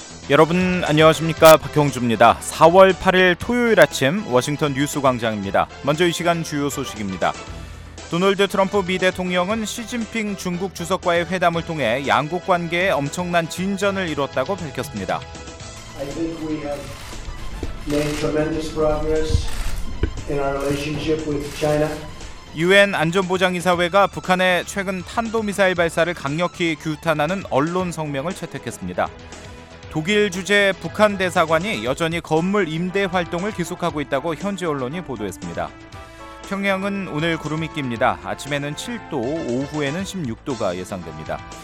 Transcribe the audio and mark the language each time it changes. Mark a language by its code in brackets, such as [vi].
[ko] 여러분 안녕하십니까? 박형주입니다. 4월 8일 토요일 아침 워싱턴 뉴스 광장입니다. 먼저 이 시간 주요 소식입니다. 도널드 트럼프 미 대통령은 시진핑 중국 주석과의 회담을 통해 양국 관계에 엄청난 진전을 이뤘다고 밝혔습니다. [en] I think we have made tremendous progress in our relationship with China. [ko] 유엔 안전보장이사회가 북한의 최근 탄도미사일 발사를 강력히 규탄하는 언론 성명을 채택했습니다. 독일 주재 북한 대사관이 여전히 건물 임대 활동을 계속하고 있다고 현지 언론이 보도했습니다. 평양은 오늘 구름이 낍니다. 아침에는 7도, 오후에는 16도가 예상됩니다.